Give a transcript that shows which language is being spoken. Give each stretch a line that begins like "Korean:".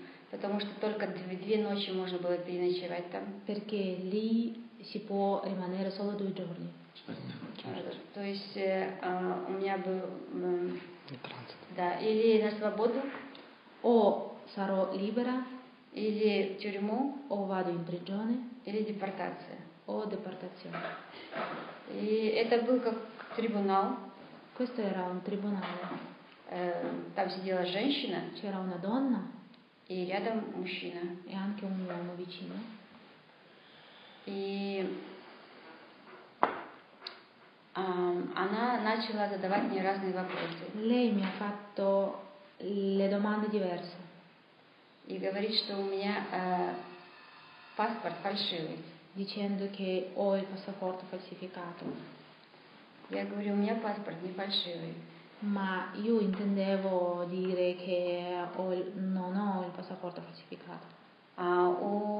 Russian: Потому что только две ночи можно было переночевать там.
Italian: Perché lì si può rimanere solo due giorni.
Russian: То есть у меня был. Транзит. Да. Или на свободу.
Italian: O sarò libera.
Russian: Или в тюрьму.
Italian: O vado in prigione.
Russian: Или депортация. О депортации. И это был как трибунал.
Italian: Questo era un tribunale.
Russian: Там сидела женщина.
Italian: C'era una donna.
Russian: И рядом мужчина.
Italian: E anche un uomo vicino.
Russian: И она начала задавать мне разные вопросы.
Italian: Lei mi ha fatto le domande diverse.
Russian: И говорит, что у меня паспорт фальшивый.
Italian: Dicendo che ho il passaporto falsificato.
Russian: Я говорю, у меня паспорт не фальшивый.
Italian: Ma io intendevo dire che non ho il passaporto falsificato.